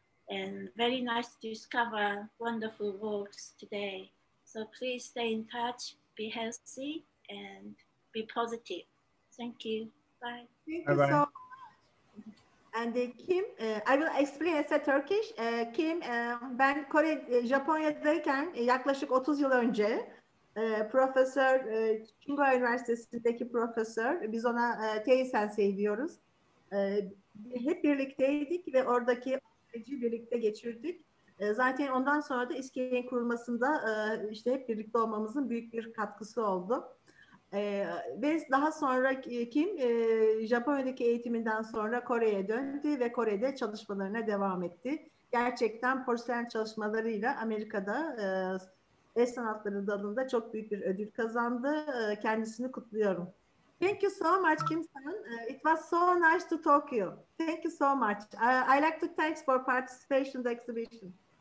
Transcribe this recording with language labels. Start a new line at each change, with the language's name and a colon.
English: And very nice to discover wonderful works today. So please stay in touch, be healthy, and be positive. Thank you. Bye. Thank you so much. And Kim, I will explain as a Turkish.
Turkish: Kim, ben Kore, Japonya'dayken yaklaşık 30 yıl önce Profesör, Chungo Üniversitesi'ndeki profesör, biz ona Tei-sensei diyoruz. Hep birlikteydik ve oradaki birlikte geçirdik. Zaten ondan sonra da İSKCAE'nin kurulmasında işte hep birlikte olmamızın büyük bir katkısı oldu. Ve daha sonra Kim Japonya'daki eğitiminden sonra Kore'ye döndü ve Kore'de çalışmalarına devam etti. Gerçekten porselen çalışmalarıyla Amerika'da el sanatları dalında çok büyük bir ödül kazandı.
English: Kendisini kutluyorum. Thank you so much, Kim-san. It was so nice to talk to you. Thank you so much. I like to thank for participation in the exhibition.